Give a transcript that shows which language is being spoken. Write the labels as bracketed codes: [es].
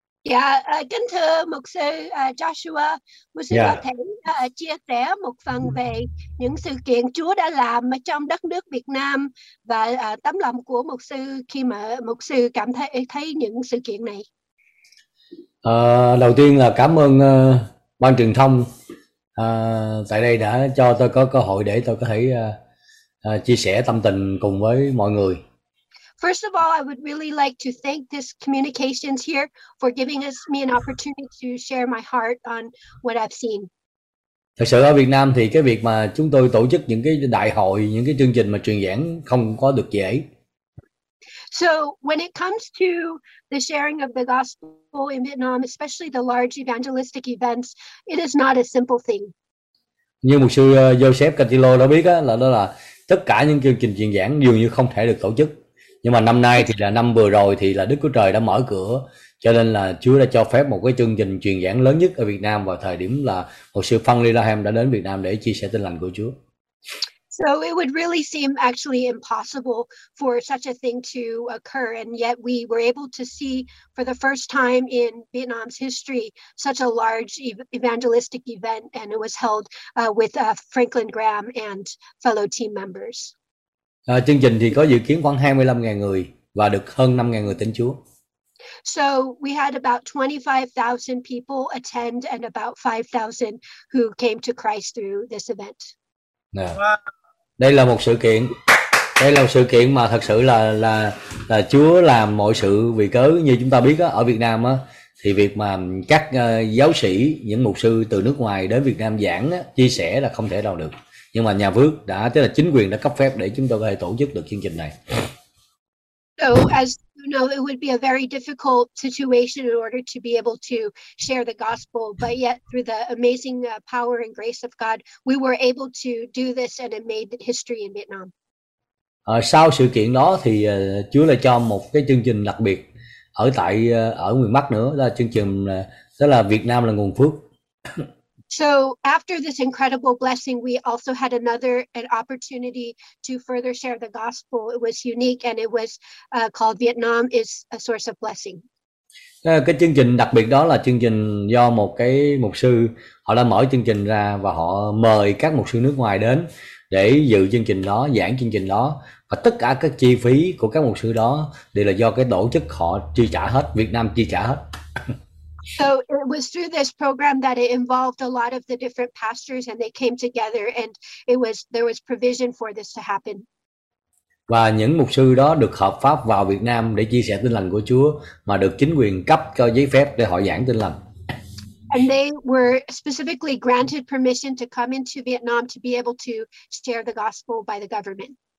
[en] Yeah, [vi] kính thưa mục sư Joshua, mục sư có thể chia sẻ một phần về những sự kiện Chúa đã làm trong đất nước Việt Nam và tấm lòng của mục sư khi mà mục sư cảm thấy những sự kiện này. Đầu tiên là cảm ơn ban truyền thông tại đây đã cho tôi có cơ hội để tôi có thể chia sẻ tâm tình cùng với mọi người. [en] First of all, I would really like to thank this communications here for giving us me an opportunity to share my heart on what I've seen. [vi] Thật sự ở Việt Nam thì cái việc mà chúng tôi tổ chức những cái đại hội, những cái chương trình mà truyền giảng không có được dễ. [en] So when it comes to the sharing of the gospel in Vietnam, especially the large evangelistic events, it is not a simple thing. [vi] Như mục sư Joseph Cantillo đã biết á, là đó là tất cả những chương trình truyền giảng dường như không thể được tổ chức. Nhưng mà năm nay thì là năm vừa rồi thì là Đức Chúa Trời đã mở cửa, cho nên là Chúa đã cho phép một cái chương trình truyền giảng lớn nhất ở Việt Nam vào thời điểm là một sư Phan Lê La Hem đã đến Việt Nam để chia sẻ tin lành của Chúa. [en] So it would really seem actually impossible for such a thing to occur, and yet we were able to see for the first time in Vietnam's history such a large evangelistic event, and it was held with Franklin Graham and fellow team members. [vi] Chương trình thì có dự kiến khoảng 25.000 người và được hơn 5.000 người tin Chúa. [en] So we had about 25,000 people attend and about 5,000 who came to Christ through this event. Yeah. [vi] Đây là một sự kiện. Đây là một sự kiện mà thật sự là Chúa làm mọi sự vì cớ. Như chúng ta biết đó, ở Việt Nam đó, thì việc mà các giáo sĩ, những mục sư từ nước ngoài đến Việt Nam giảng đó, chia sẻ là không thể nào được. Nhưng mà nhà phước đã, tức là chính quyền đã cấp phép để chúng tôi có thể tổ chức được chương trình này. [en] So, as you know, it would be a very difficult situation in order to be able to share the gospel, but yet through the amazing power and grace of God, we were able to do this and it made history in Vietnam. [vi] Sau sự kiện đó thì Chúa lại cho một cái chương trình đặc biệt ở tại ở miền Bắc nữa, đó là chương trình đó là Việt Nam là nguồn phước. [en] So after this incredible blessing, we also had another an opportunity to further share the gospel. It was unique and it was called Vietnam is a source of blessing. [vi] Cái chương trình đặc biệt đó là chương trình do một cái mục sư, họ đã mở chương trình ra và họ mời các mục sư nước ngoài đến để dự chương trình đó, giảng chương trình đó. Và tất cả các chi phí của các mục sư đó đều là do cái tổ chức họ chi trả hết, Việt Nam chi trả hết. [en] So it was through this program that it involved a lot of the different pastors and they came together and it was there was provision for this to happen. [vi] Và những mục sư đó được hợp pháp vào Việt Nam để chia sẻ tin lành của Chúa mà được chính quyền cấp cho giấy phép để họ giảng tin lành. [en] And they were specifically granted permission to come into Vietnam to be able to share the gospel by the government.